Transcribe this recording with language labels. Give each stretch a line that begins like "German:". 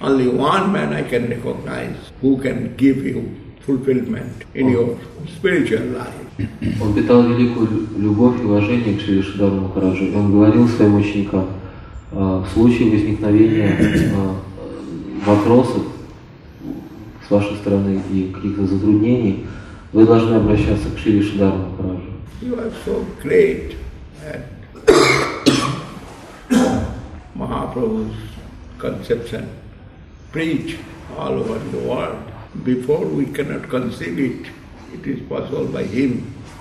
English: Only one man I can recognize who can give you fulfillment in your spiritual life.
Russian: Он питал великую любовь и уважение к Шри Шридхару Махараджу. Он говорил своим ученикам, в случае возникновения вопросов с вашей стороны и каких-то затруднений, вы должны обращаться к Шри Шридхару Махараджу.
English: You are so great at Mahaprabhu's conception. Preach all over the world. Before we cannot conceive it, it is possible by him.